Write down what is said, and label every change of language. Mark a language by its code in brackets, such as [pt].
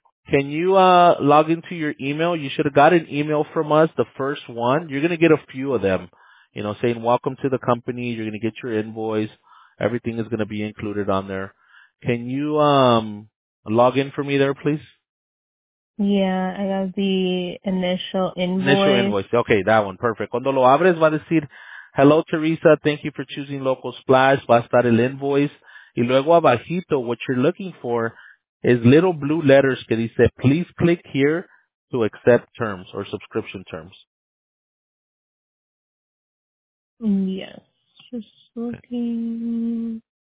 [en] Can you log into your email? You should have got an email from us, the first one. You're going to get a few of them, you know, saying welcome to the company. You're going to get your invoice. Everything is going to be included on there. Can you log in for me there, please? Yeah, I got the initial invoice. Initial invoice. Okay, that one. Perfect. [es] Cuando lo abres, va a decir, [en] hello, [es] Teresa. [en] Thank you for choosing Local Splash. [es] Va a estar el invoice. Y luego abajito, [en] what you're looking for is little blue letters [es] que dice, [en] please click here to accept terms or subscription terms. Yes, just looking.